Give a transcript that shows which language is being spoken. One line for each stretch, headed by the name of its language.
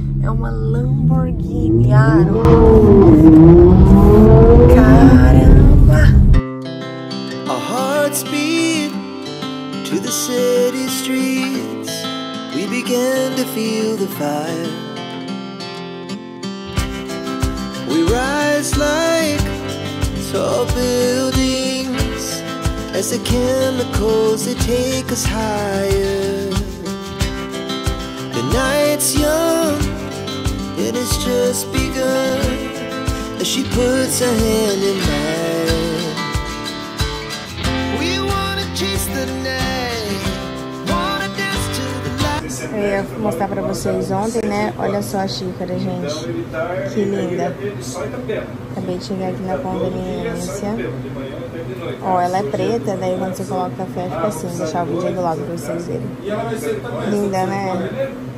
Portuguese: É uma Lamborghini, Aaron. Caramba.
English: Our hearts beat to the city streets. We began to feel the fire. We rise like tall buildings as the chemicals they take us higher. The night's young and it's just begun as she puts her hand in mine. We wanna chase the night, wanna dance to the light.
Portuguese: Eu ia mostrar pra vocês ontem, né? Olha só a xícara, gente. Que linda. Acabei de chegar aqui na conveniência. Ó, oh, ela é preta, daí quando você coloca o café fica assim. Deixar o vídeo do lado pra vocês verem. Linda, né?